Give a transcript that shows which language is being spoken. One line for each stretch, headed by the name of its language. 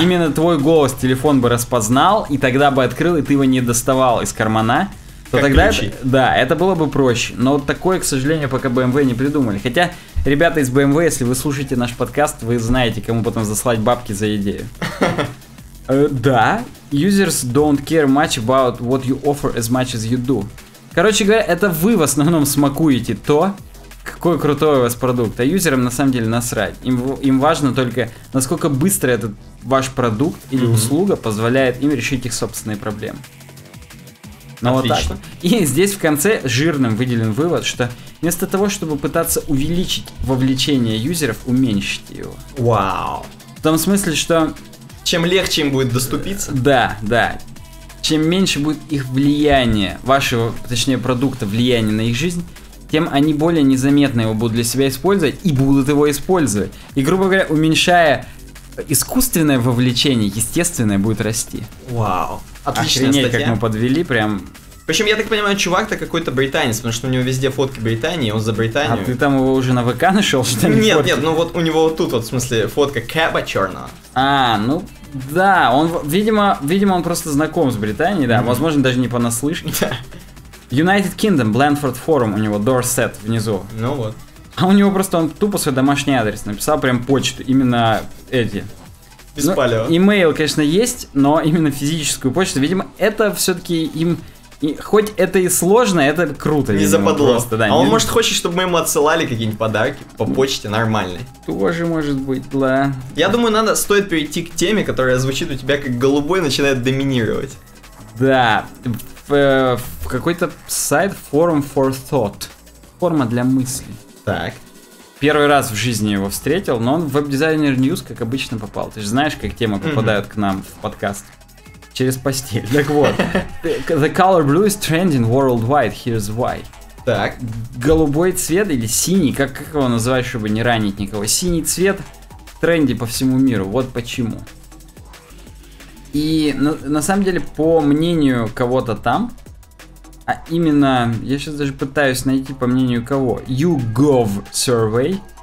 Russian: именно твой голос телефон бы распознал, и тогда бы открыл, и ты его не доставал из кармана, то как тогда это было бы проще. Но вот такое, к сожалению, пока BMW не придумали. Хотя, ребята из BMW, если вы слушаете наш подкаст, вы знаете, кому потом заслать бабки за идею. Да.
English: Users don't care much about what you offer as much as you do.
Russian: Короче говоря, это вы в основном смакуете то, какой крутой у вас продукт. А юзерам на самом деле насрать. Им важно только, насколько быстро этот ваш продукт или услуга позволяет им решить их собственные проблемы. Ну, вот так. И здесь в конце жирным выделен вывод, что вместо того, чтобы пытаться увеличить вовлечение юзеров, уменьшите его. Вау. В том смысле, что чем легче им будет доступиться. Да, да. Чем меньше будет их влияние, вашего, точнее, продукта влияние на их жизнь, тем они более незаметно его будут для себя использовать и будут его использовать. И, грубо говоря, уменьшая искусственное вовлечение, естественное будет расти. Вау. Охренеть, как мы подвели, прям. Причем, я так понимаю, чувак-то какой-то британец, потому что у него везде фотки Британии, он за Британию. А ты там его уже на ВК нашел, что ли? Нет, нет, ну вот у него вот тут, вот в смысле, фотка кэба черного. А, ну да, он, видимо, он просто знаком с Британией, да. Возможно, даже не понаслышке. United Kingdom, Blandford Forum, у него Dorset внизу. Ну вот. А у него просто, он тупо свой домашний адрес написал, прям почту, именно эти. Без палева. Имейл, конечно, есть, но именно физическую почту. Видимо, это все-таки им, и хоть это и сложно, это круто. Не западло. Просто, да, а не... он, может, хочет, чтобы мы ему отсылали какие-нибудь подарки по почте нормальные. Тоже может быть, да. Я думаю, надо, стоит перейти к теме, которая звучит у тебя как голубой, начинает доминировать. Да, в какой-то сайт Forum for Thought. Форма для мыслей. Так. Первый раз в жизни его встретил, но он в веб-дизайнер News, как обычно, попал. Ты же знаешь, как темы попадают к нам в подкаст. Через постель. Так вот.
English: The color blue is trending worldwide, here's why.
Russian: Так. Голубой цвет или синий, как его называешь, чтобы не ранить никого. Синий цвет в тренде по всему миру, вот почему. И на самом деле, по мнению кого-то там, а именно, я сейчас даже пытаюсь найти, по мнению кого, YouGov Survey.